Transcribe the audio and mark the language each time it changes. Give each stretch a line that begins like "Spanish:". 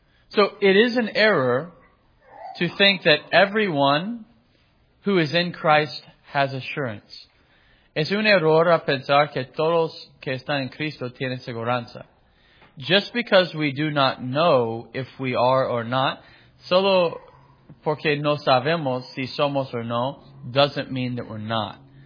English: So, it is an error to think that everyone who is in Christ has assurance.
Spanish: Es un error a pensar que todos que están en Cristo tienen seguranza.
English: Just because we do not know if we are or not,
Spanish: solo porque no sabemos si somos o no,
English: doesn't mean that we're not.